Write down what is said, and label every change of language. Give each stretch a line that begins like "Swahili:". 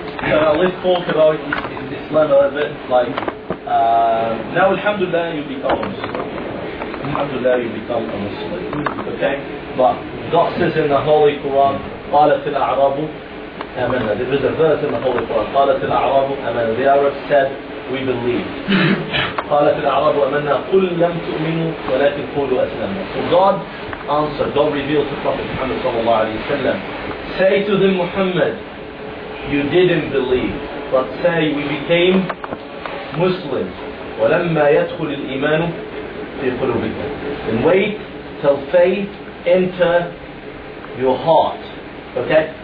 English: So let's talk about this level a bit. Like, now, alhamdulillah, you become a Muslim. Alhamdulillah, you become a Muslim. Okay? But God says in the Holy Quran,
Arabic: قالت الأعراب أمنا.
English: There is a verse in the Holy Quran.
Arabic: قالت الأعراب أمنا.
English: The Arabs said, we believe.
Arabic: قالت الأعراب أمنا. قل لم تؤمنوا ولكن قولوا أسلموا.
English: So God answered, God revealed to Prophet Muhammad sallallahu alayhi wa sallam, say to the Muhammad, you didn't believe, but say we became Muslims.
Arabic: وَلَمَّا يَدْخُلِ الْإِيمَانُ فِي قُلُوبِكَ.
English: And wait till faith enter your heart. Okay?